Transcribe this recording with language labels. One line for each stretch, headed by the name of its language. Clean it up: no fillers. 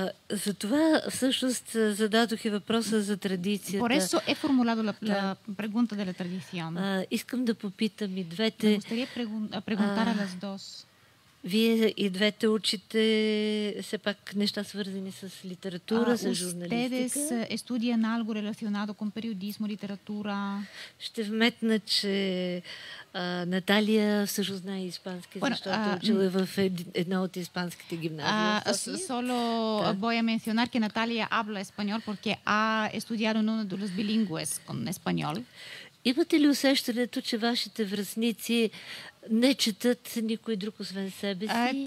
Bulgarian: Затова всъщност зададох и въпроса за традицията.
Spanish: Por eso he formulado la pregunta de la tradición.
Bulgarian: Искам да попитам и двете.
Spanish: Me gustaría preguntar a las dos.
Bulgarian: Вие и двете учите все пак неща свързани с литература, с журналистика.
Spanish: Ustedes estudian algo relacionado con periodismo, literatura.
Bulgarian: Ще вметна, че Наталия също знае испански, защото учила в една от испанските гимназии.
Spanish: Solo voy a mencionar que Наталия habla español porque ha estudiado en una de las bilingües con español.
Bulgarian: Имате ли усещането, че вашите връзници не четат никой друг освен себе си?